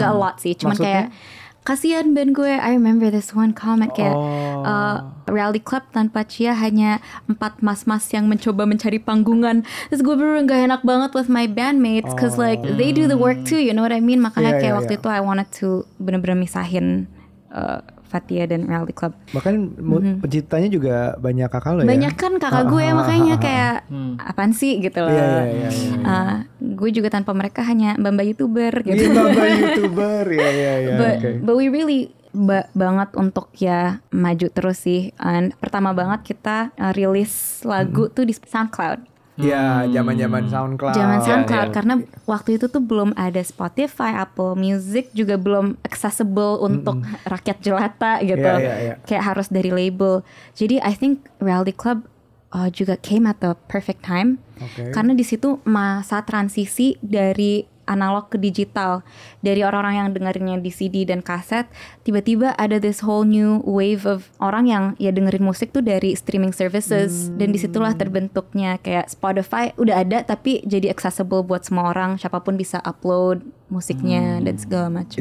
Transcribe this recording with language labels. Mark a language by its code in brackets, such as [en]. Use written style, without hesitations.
[id] Gak [en] a lot [id] sih, cuman maksudnya? Kayak kasian band gue, [en] I remember this one comment [id] kayak reality club tanpa Chia hanya 4 mas-mas yang mencoba mencari panggungan. Terus gue bener-bener gak enak banget [en] with my bandmates cause like they do the work too, you know what I mean? [id] Makanya waktu itu [en] I wanted to [id] bener-bener misahin Fathia dan reality club. Bahkan penciptanya juga banyak kakak lo ya? Banyak kan kakak gue, makanya kayak apaan sih gitu loh. Gue juga tanpa mereka hanya Bamba YouTuber gitu. Iya Bamba YouTuber, [en] But we really [id] banget untuk ya maju terus sih. And pertama banget kita rilis lagu tuh di SoundCloud. Iya, zaman-zaman SoundCloud. Zaman SoundCloud, karena waktu itu tuh belum ada Spotify, Apple Music juga belum accessible untuk rakyat jelata gitu. Kayak harus dari label. [en] Jadi I think Reality Club juga came at the perfect time. [id] Karena di situ masa transisi dari analog ke digital, dari orang-orang yang dengerinnya di CD dan kaset, tiba-tiba ada [en] this whole new wave of [id] orang yang ya dengerin musik tuh dari streaming services. Dan disitulah terbentuknya kayak Spotify udah ada tapi jadi accessible buat semua orang, siapapun bisa upload musiknya dan segala macam.